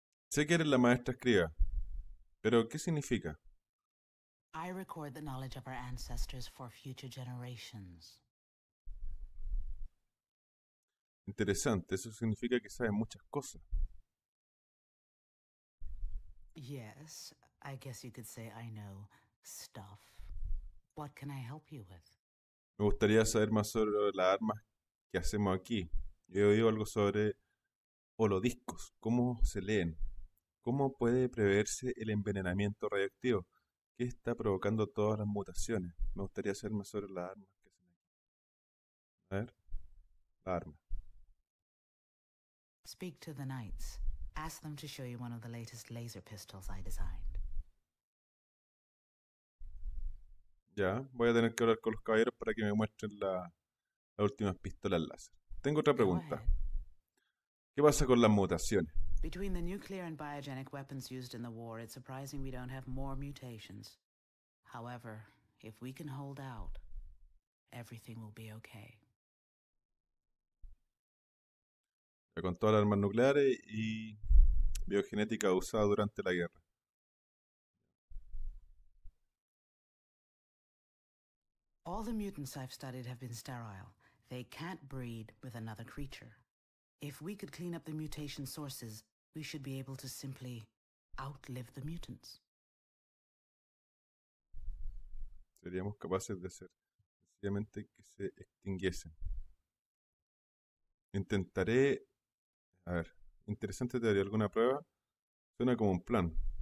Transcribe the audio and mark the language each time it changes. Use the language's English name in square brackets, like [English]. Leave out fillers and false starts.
[Spanish] Sé que eres la maestra escriba, pero ¿qué significa? [English] I record the knowledge of our ancestors for future generations. [Spanish] Interesante, eso significa que sabes muchas cosas. [English] Yes, I guess you could say I know stuff. What can I help you with? [Spanish] Me gustaría saber más sobre las armas que hacemos aquí. He oído algo sobre holodiscos, cómo se leen, cómo puede preverse el envenenamiento radioactivo que está provocando todas las mutaciones. Me gustaría saber más sobre las armas que se leen. A ver, la arma. [English] Speak to the knights. Ask them to show you one of the latest laser pistols I designed. [Spanish] Ya, voy a tener que hablar con los caballeros para que me muestren las últimas pistolas láser. Tengo otra pregunta. ¿Qué pasa con las mutaciones? [English] Between the nuclear and biogenic weapons used in the war, it's surprising we don't have more mutations. However, if we can hold out, everything will be okay. [Spanish] Con todas las armas nucleares y biogenética usada durante la guerra. [English] All the mutants I've studied have been sterile. They can't breed with another creature. If we could clean up the mutation sources, we should be able to simply outlive the mutants. [Spanish] Seríamos capaces de hacer sencillamente que se extinguiesen. Intentaré. A ver, interesante teoría. ¿Alguna prueba? Suena como un plan.